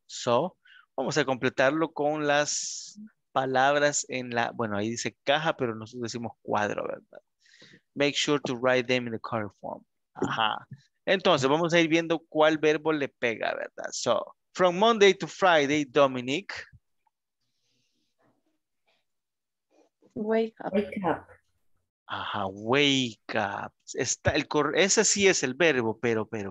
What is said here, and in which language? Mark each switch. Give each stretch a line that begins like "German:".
Spanish: So, vamos a completarlo con las palabras en la, bueno, ahí dice caja, pero nosotros decimos cuadro, ¿verdad?
English: Make sure to write them in the correct form.
Spanish: Ajá. Entonces, vamos a ir viendo cuál verbo le pega, ¿verdad?
English: So, from Monday to Friday, Dominic. Wake up. Ajá, wake up.
Spanish: Está el ese sí es el verbo, pero.